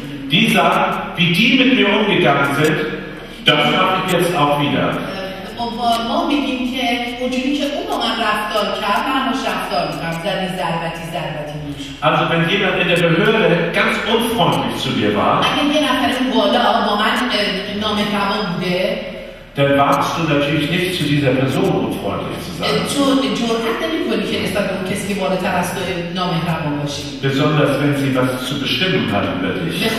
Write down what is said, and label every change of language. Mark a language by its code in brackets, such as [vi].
[de] Die sagen, wie die mit mir umgegangen sind, das mache ich jetzt auch wieder. [fa] و ما میگیم که اونجوری که اون با من رفتار کرد، من هم رفتار میکنم، زنی ضربتی ضربتی میشه. [de] Also wenn jemand in der Behörde ganz unfreundlich zu dir war, [fa] اگه یه نفر اون بالا با من نامهربان بوده، [de] dann warst du natürlich nicht zu dieser Person unfreundlich zu sein. Besonders wenn sie was zu bestimmen hat über dich.